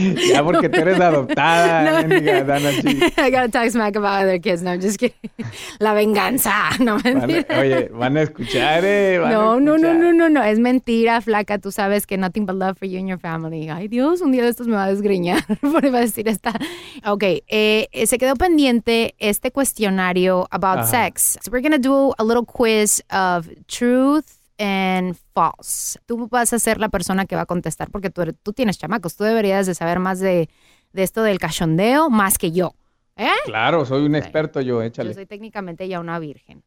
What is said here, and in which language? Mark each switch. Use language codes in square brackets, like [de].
[es] Ya porque tú eres adoptada. No. Dana, [en] I gotta talk smack about other kids. No, I'm just kidding. [es] La venganza. No, mentira. Van a escuchar, No. Es mentira, flaca. Tú sabes que [en] nothing but love for you and your family. [es] Ay, Dios, un día de estos me va a desgreñar. Por iba a decir esta... Ok, se quedó pendiente este cuestionario... [en] about sex. So we're going to do a little quiz of truth and false. [es] Tú vas a ser la persona que va a contestar porque tú tienes chamacos. Tú deberías de saber más de esto del cachondeo más que yo. ¿Eh? Claro, soy un experto yo, échale. Yo soy técnicamente ya una virgen.